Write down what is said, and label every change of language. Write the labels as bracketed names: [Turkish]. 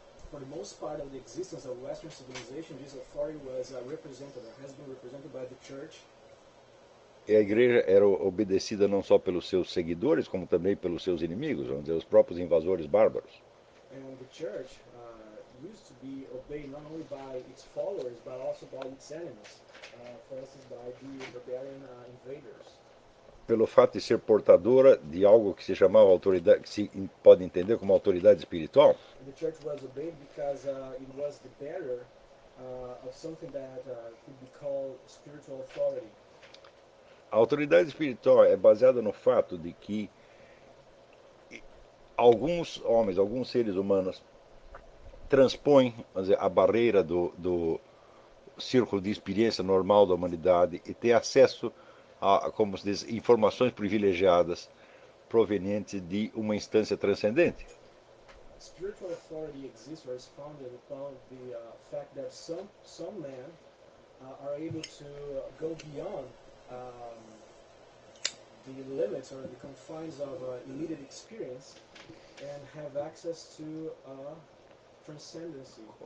[English] For the most part of the existence of Western civilization, this authority was represented, or has been represented by the church. [Portuguese] E a Igreja era obedecida não só pelos seus seguidores, como também pelos seus inimigos, vamos dizer, os próprios invasores bárbaros. [English] And the church used to be obeyed not only by its followers, but also by its enemies, for instance, by the rebellion invaders. [Portuguese] Pelo fato de ser portadora de algo que se chamava autoridade, que se pode entender como autoridade espiritual. [English] The church was obeyed because it was the bearer of something that could be called spiritual authority. [Portuguese] A autoridade espiritual é baseada no fato de que alguns homens, alguns seres humanos transpõem, vamos dizer, a barreira do círculo de experiência normal da humanidade e têm acesso a, como se diz, informações privilegiadas provenientes de uma instância transcendente. [English] Spiritual authority exists or is founded upon the fact that some men are able to go beyond the limits or the confines of limited experience and have access to a transcendency.